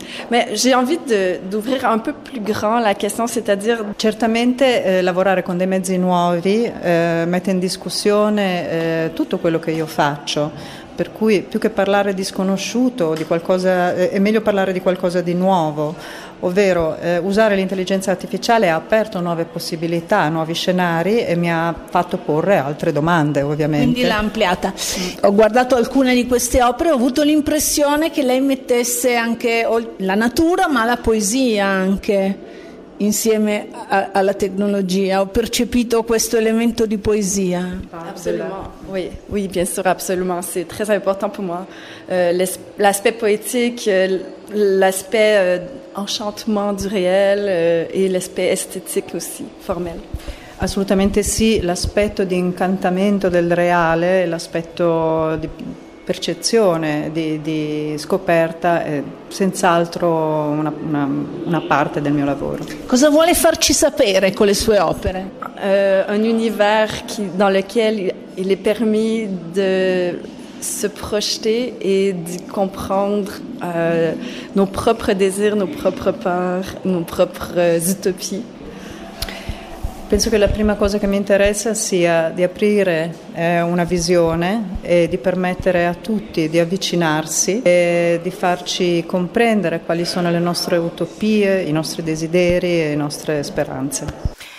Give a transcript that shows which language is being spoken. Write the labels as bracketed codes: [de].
[fr] Mais j'ai envie d'ouvrir un peu plus grand la question, c'est-à-dire. [it] Certamente lavorare con dei mezzi nuovi mette in discussione tutto quello che io faccio. Per cui più che parlare di sconosciuto di qualcosa, è meglio parlare di qualcosa di nuovo, ovvero usare l'intelligenza artificiale ha aperto nuove possibilità, nuovi scenari e mi ha fatto porre altre domande, ovviamente. Quindi l'ha ampliata. Ho guardato alcune di queste opere, ho avuto l'impressione che lei mettesse anche la natura ma la poesia anche insieme alla tecnologia. Ho percepito questo elemento di poesia. [fr] Absolument. Oui, oui, bien sûr, absolument. C'est très important pour moi. L'aspect poétique, l'aspect enchantement du réel e l'aspect esthétique aussi, formel. [it] Assolutamente sì, l'aspetto di incantamento del reale, l'aspetto di percezione, di scoperta, senz'altro una parte del mio lavoro. Cosa vuole farci sapere con le sue opere? [fr] Un univers dans lequel il est permis de se projeter et di comprendre nos propres désirs, nos propres peurs, nos propres utopies. [it] Penso che la prima cosa che mi interessa sia di aprire una visione e di permettere a tutti di avvicinarsi e di farci comprendere quali sono le nostre utopie, i nostri desideri e le nostre speranze.